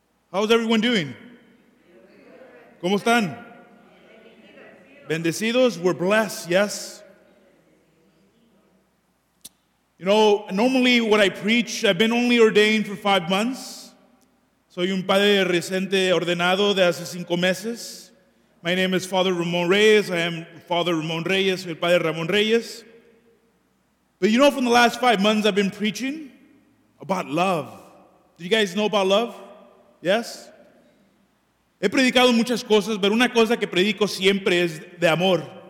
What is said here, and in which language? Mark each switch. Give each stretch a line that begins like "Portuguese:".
English: How's everyone doing?
Spanish: ¿Cómo están? Bendecidos.
English: We're blessed, yes. You know, normally what I preach, I've been only ordained for 5 months.
Spanish: Soy un padre reciente ordenado de hace 5 meses.
English: My name is Father Ramón Reyes. I am Father Ramón Reyes, el Padre Ramón Reyes. But you know, from the last 5 months, I've been preaching about love. Do you guys know about love? Yes?
Spanish: He predicado muchas cosas, pero una cosa que predico siempre es de amor.